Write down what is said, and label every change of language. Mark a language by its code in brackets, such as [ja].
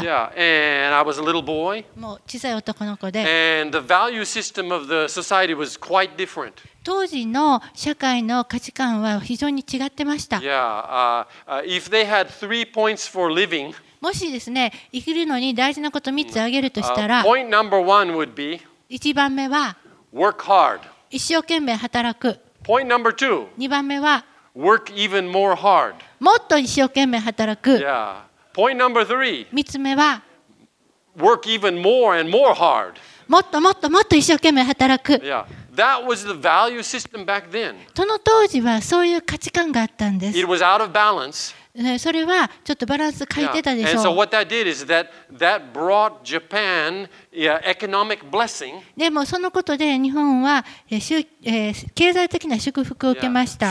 [en] Yeah, and I was a little boy. [ja] もう小さい男の子で。 [en] And the value system of the society was quite different. [ja] 当時の社会の価値観は非常に違ってました。 [en] If they had three points for living, [ja] もしですね、生きるのに大事なこと3つ挙げるとしたら、 [en] point number one would be, [ja] 1番目は、 [en] work hard. [ja] 一生懸命働く。 [en] point number two, [ja] 2番目は、 [en] work even more hard. [ja] もっと一生懸命働く。 [en] point number three, [ja] 3つ目は、 [en] work even more and more hard. [ja] もっともっともっと一生懸命働く。 [en] Yeah, that was the value system back then. [ja] その当時はそういう価値観があったんです。 [en] It was out of balance. [ja] それはちょっとバランス欠いてたでしょう。 [en] And so what that did is that that brought Japan economic blessing. [ja] でもそのことで日本は経済的な祝福を受けました。